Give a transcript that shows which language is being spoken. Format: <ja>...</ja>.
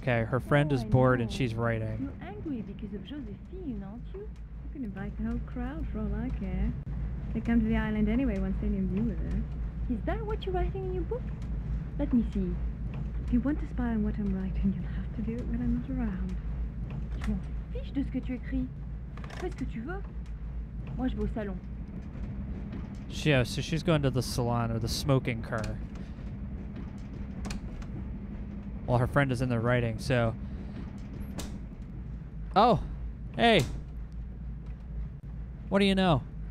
<en>Okay, her friend is bored and she's writing. You're angry because of Josephine, aren't you? You can invite the whole crowd for all I care. They come to the island anyway once they knew you were there. Is that what you're writing in your book? Let me see. If you want to spy on what I'm writing, you'll have to do it when I'm not around.</en> <fr>Je m'en fiche de ce que tu écris. Fais ce que tu veux. Moi, je vais au salon.</fr> <en>Yeah, so she's going to the salon or the smoking car. While her friend is in there writing, so. Oh! Hey! What do you know?</en>